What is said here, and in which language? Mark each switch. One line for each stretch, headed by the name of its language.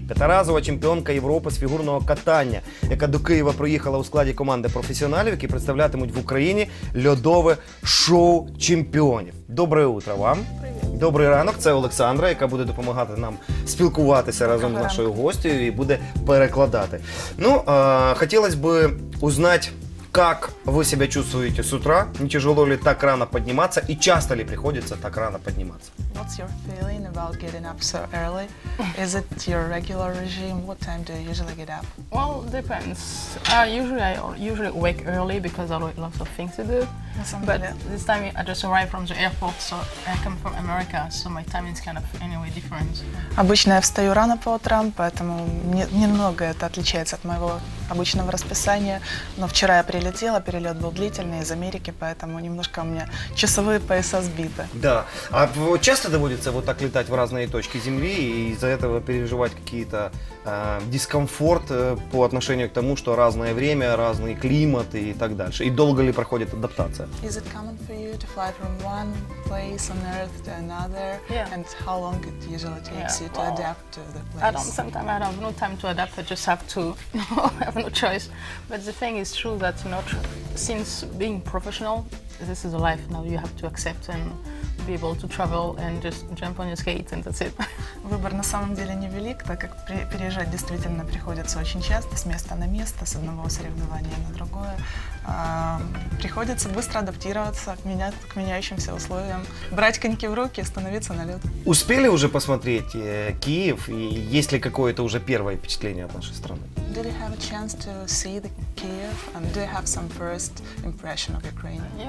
Ukrainian: П'ятиразова чемпіонка Європи з фігурного катання, яка до Києва приїхала у складі команди професіоналів, які представлятимуть в Україні льодове шоу чемпіонів.
Russian: Доброе утро вам. Привет.
Ukrainian: Добрий ранок. Це Олександра, яка буде допомагати нам спілкуватися разом з нашою гостею і буде перекладати. Ну, хотілося б узнати,
Russian: как вы себя чувствуете с утра? Не тяжело ли так рано подниматься? И часто ли приходится так рано подниматься?
English: What's your feeling about getting up so early? Is it your regular regime? What time do you usually get up? Well, depends. I usually wake early because I have lots of things to do. But this time I just arrived from the airport, so I come from America, so my timing is kind of anyway different.
Russian: Обычно я встаю рано по утрам, поэтому немного это отличается от моего обычного расписания. Но вчера я прилетела, перелет был длительный из Америки, поэтому немножко у меня часовые пояса сбиты. Да. А часто доводится вот так летать в разные точки Земли и из-за этого переживать какие-то дискомфорт по отношению к тому, что разное время, разный климат и так дальше? И долго ли проходит адаптация?
English: Is it common for you to fly from one place on Earth to another? Yeah. And how long it usually takes you to adapt to the place? Sometimes I don't have no time to adapt, I just have to, I have no choice. But the thing is true that not since being professional, this is a life now you have to accept and be able to travel and just jump on your skates and that's it.
Russian: Выбор на самом деле невелик, так как переезжать действительно приходится очень часто, с места на место, с одного соревнования на другое. Приходится быстро адаптироваться к меняющимся условиям, брать коньки в руки и становиться на лед. Успели уже посмотреть Киев и есть ли какое-то уже первое впечатление от нашей страны?
English: Did you have a chance to see the Kyiv and do you have some first impression of Ukraine?